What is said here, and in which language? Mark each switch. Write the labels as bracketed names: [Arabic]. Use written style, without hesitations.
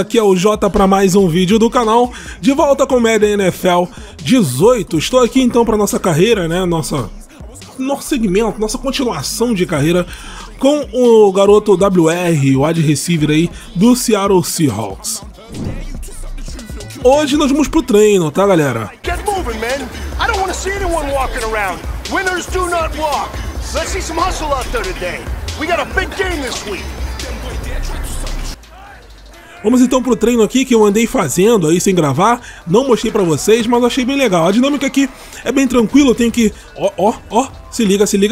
[Portuguese] Aqui é o Jota para mais um vídeo do canal. De volta com o Madden NFL 18. Estou aqui, então, para nossa carreira, né? Nosso segmento, nossa continuação de carreira com o garoto WR, o wide receiver aí do Seattle Seahawks. Hoje nós vamos pro treino, tá, galera? [English] Get moving, man! I don't want to see anyone walking around. Winners do not walk. Let's see some hustle out there today. We got a big game this week. [Portuguese] Vamos então pro treino aqui que eu andei fazendo aí sem gravar, não mostrei pra vocês, mas achei bem legal. A dinâmica aqui é bem tranquila, eu tenho que... Se liga.